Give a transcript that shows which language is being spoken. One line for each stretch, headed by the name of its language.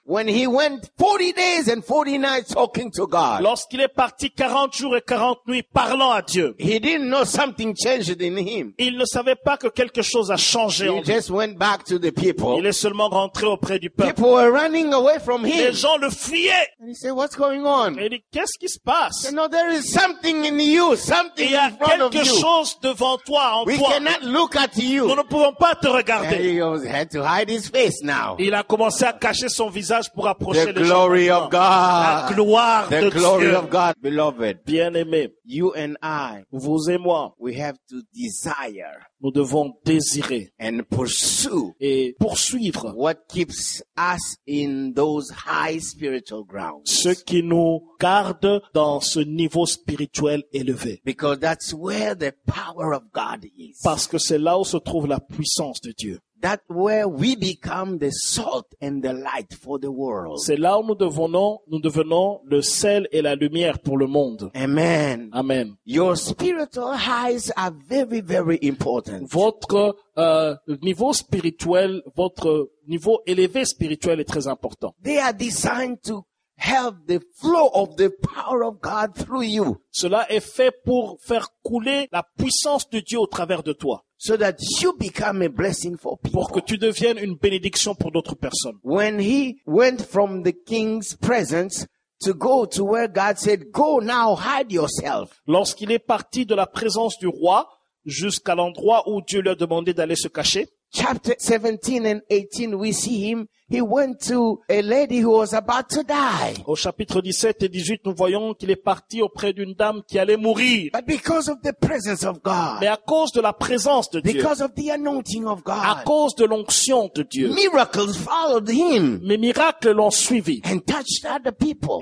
English: When he went 40 days and 40 nights talking to God.
French: Lorsqu'il est parti 40 jours et 40 nuits parlant à Dieu.
English: He didn't know something changed in him.
French: Il ne savait pas que quelque chose a changé
English: he
French: en lui.
English: He just went back to the people.
French: Il est seulement rentré auprès du peuple.
English: People were running away from him.
French: Les gens le fuyaient.
English: And he said, "What's going on?"
French: Et il dit, qu'est-ce qui se passe?
English: You know, there is something in you, something in front of you.
French: Il y a quelque chose devant toi, en
English: we
French: toi.
English: We cannot look at you.
French: Nous ne pouvons pas te regarder.
English: And he had to hide his face now.
French: Il a commencé à cacher son visage pour approcher
English: the glory
French: gens
English: of God.
French: La gloire
English: the
French: de
English: glory
French: Dieu.
English: Of God, beloved.
French: Bien-aimé,
English: you and I,
French: vous et moi,
English: we have to desire.
French: Nous devons désirer
English: and pursue
French: et poursuivre
English: what keeps us in those high spiritual grounds.
French: Ce qui nous garde dans ce niveau spirituel élevé.
English: Because that's where the power of God is.
French: Parce que c'est là où se trouve la puissance de Dieu.
English: That where we become the salt and the light for the world.
French: C'est là où nous devenons le sel et la lumière pour le monde.
English: Amen.
French: Amen.
English: Your spiritual highs are very, very important.
French: Votre niveau spirituel, votre niveau élevé spirituel est très important.
English: They are designed to help the flow of the power of God through you.
French: Cela est fait pour faire couler la puissance de Dieu au travers de toi.
English: So that you become a blessing for people.
French: Pour que tu deviennes une bénédiction pour d'autres personnes.
English: When he went from the king's presence to go to where God said, "Go now, hide yourself."
French: Lorsqu'il est parti de la présence du roi jusqu'à l'endroit où Dieu lui a demandé d'aller se cacher.
English: Chapter 17 and 18, we see him. He went to a lady who was about to die.
French: Au chapitre 17 et 18, nous voyons qu'il est parti auprès d'une dame qui allait mourir.
English: But because of the presence of God.
French: Mais à cause de la présence de Dieu.
English: Because of the anointing of God.
French: À cause de l'onction de Dieu.
English: Miracles followed him.
French: Mes miracles l'ont suivi.
English: And touched other people.